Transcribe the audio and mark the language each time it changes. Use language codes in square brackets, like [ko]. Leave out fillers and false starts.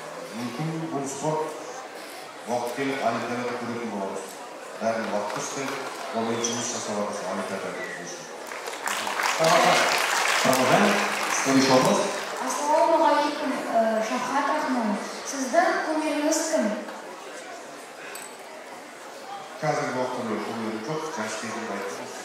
[kk] Мүмкін бұл спорт уақыт келіп олимпиадада көретін боламыз. Бәрін уақыт ұстайды, онымен жұмыс жасаватырмыз олимпиадада өзі үшін. [ru] Продолжаем. Следующий вопрос. Ассаламу алейкум, Шавкат Рахманов. [kk] Сіздің кумиріңіз кім? Қазіргі уақытта кумирім жоқ, жас кезім айтсын.